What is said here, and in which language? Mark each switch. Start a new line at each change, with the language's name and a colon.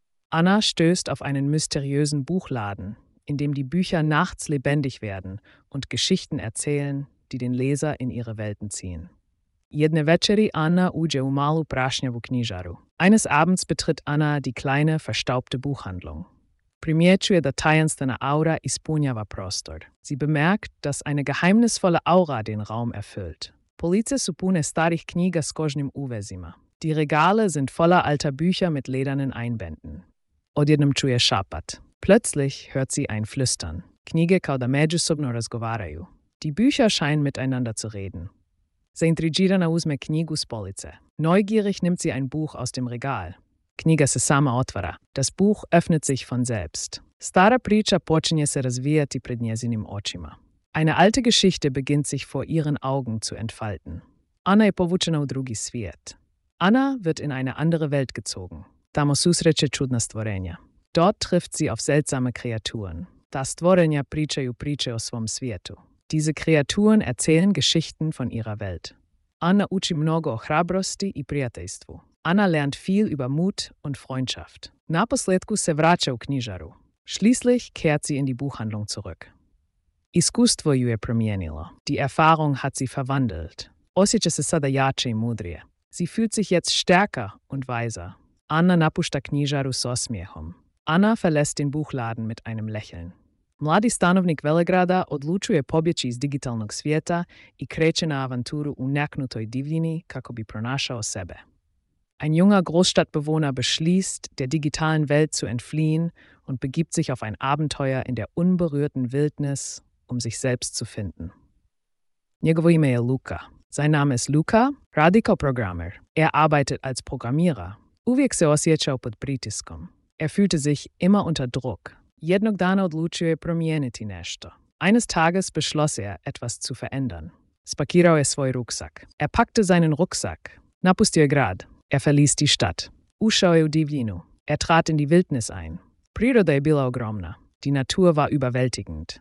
German: Ana stößt auf einen mysteriösen Buchladen, in dem die Bücher nachts lebendig werden und Geschichten erzählen, die den Leser in ihre Welten ziehen.
Croatian: Jedne večeri Anna uđe u malu prašnjavu knjižaru.
German: Eines Abends betritt Anna die kleine, verstaubte Buchhandlung.
Croatian: Primjećuje da tajanstvena aura ispunjava prostor.
German: Sie bemerkt, dass eine geheimnisvolle aura den Raum erfüllt.
Croatian: Police su pune starih knjiga s kožnim uvezima.
German: Die Regale sind voller alter Bücher mit ledernen Einbänden.
Croatian: Odjednom čuje šapat.
German: Plötzlich hört sie ein Flüstern.
Croatian: Knjige kao da međusobno razgovaraju.
German: Die Bücher scheinen miteinander zu reden.
Croatian: Se intrigirana uzme knjigu s police.
German: Neugierig nimmt sie ein Buch aus dem Regal.
Croatian: Knjiga se sama otvara.
German: Das Buch öffnet sich von selbst.
Croatian: Stara priča počinje se razvijati pred njezinim očima.
German: Eine alte Geschichte beginnt sich vor ihren Augen zu entfalten.
Croatian: Anna je povučena u drugi svijet.
German: Anna wird in eine andere Welt gezogen.
Croatian: Tamo susreće čudna stvorenja.
German: Dort trifft sie auf seltsame Kreaturen.
Croatian: Da stvorenja pričaju priče o svom svijetu.
German: Diese Kreaturen erzählen Geschichten von ihrer Welt.
Croatian: Anna uči mnogo o hrabrosti i prijateljstvu.
German: Anna lernt viel über Mut und Freundschaft.
Croatian: Naposljetku se vraća u knjižaru.
German: Schließlich kehrt sie in die Buchhandlung zurück.
Croatian: Iskustvo ju je promijenilo.
German: Die Erfahrung hat sie verwandelt.
Croatian: Osjeća se sada jače i mudrije.
German: Sie fühlt sich jetzt stärker und weiser.
Croatian: Anna napušta knjižaru s osmijehom.
German: Anna verlässt den Buchladen mit einem Lächeln.
Croatian: Mladi stanovnik Velegrada odlučuje pobjeći iz digitalnog svijeta i kreće na avanturu u neknutoj divljini kako bi pronašao sebe.
German: Ein junger Großstadtbewohner beschließt, der digitalen Welt zu entfliehen und begibt sich auf ein Abenteuer in der unberührten Wildnis, um sich selbst zu finden.
Croatian: Njegovo ime je Luka.
German: Sein Name ist Luka,
Croatian: radiko programmer.
German: Er arbeitet als Programmierer.
Croatian: Uvijek se osjećao pod pritiskom.
German: Er fühlte sich immer unter Druck.
Croatian: Jednog dana odlučio je promijeniti nešto.
German: Eines Tages beschloss er, etwas zu verändern.
Croatian: Spakirao je svoj ruksak.
German: Er packte seinen Rucksack.
Croatian: Napustio je grad.
German: Er verließ die Stadt.
Croatian: Ušao je u divljinu.
German: Er trat in die Wildnis ein.
Croatian: Priroda je bila ogromna.
German: Die Natur war überwältigend.